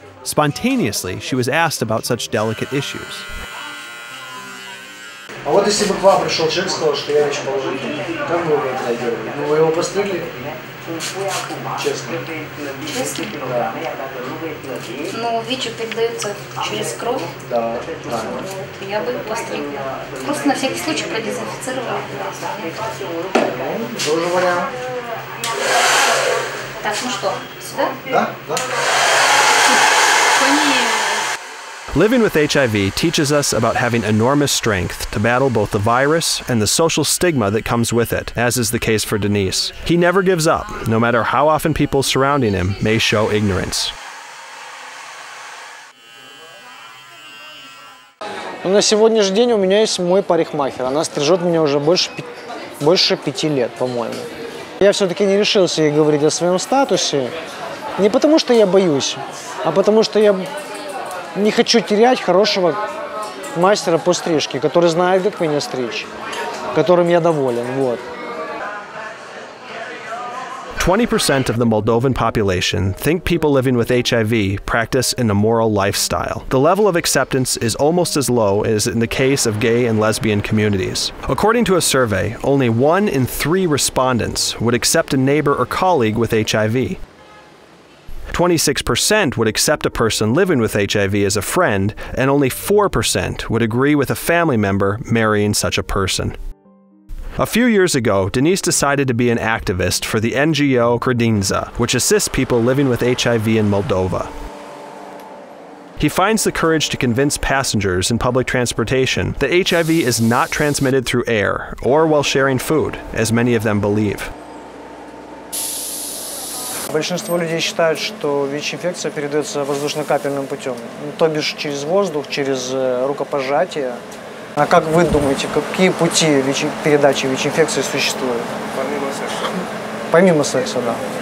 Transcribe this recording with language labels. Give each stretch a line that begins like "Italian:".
English: Spontaneously, she was asked about such delicate issues.
Russian: А вот если бы к вам пришел человек, сказал, что я ВИЧ положительный, как бы вы это делали? Ну, вы его постригли? Честно. Ну, ВИЧ передается через кровь. Да. Вот, я бы постригла. Просто на всякий случай продезинфицировала. Тоже вариант. Так, ну что, сюда? Да, да.
English: Living with HIV teaches us about having enormous strength to battle both the virus and the social stigma that comes with it, as is the case for Denise. He never gives up, no matter how often people surrounding him may show ignorance.
Russian: На сегодняшний день у меня есть мой парикмахер. Она стрижет меня уже больше 5 лет, по-моему. Я все-таки не решился ей говорить о своем статусе. Не потому что я боюсь, а потому что я не хочу терять хорошего мастера по стрижке, который знает, как меня стричь, которым я доволен. Вот.
English: 20% of the Moldovan population think people living with HIV practice an immoral lifestyle. The level of acceptance is almost as low as in the case of gay and lesbian communities. According to a survey, only 1 in 3 respondents would accept a neighbor or colleague with HIV. 26% would accept a person living with HIV as a friend, and only 4% would agree with a family member marrying such a person. A few years ago, Denise decided to be an activist for the NGO Credinza, which assists people living with HIV in Moldova. He finds the courage to convince passengers in public transportation that HIV is not transmitted through air or while sharing food, as many of them believe.
Russian: Большинство людей считают, что ВИЧ-инфекция передается воздушно-капельным путем, то бишь через воздух, через рукопожатие. А как вы думаете, какие пути передачи ВИЧ-инфекции существуют? Помимо секса. Помимо секса, да.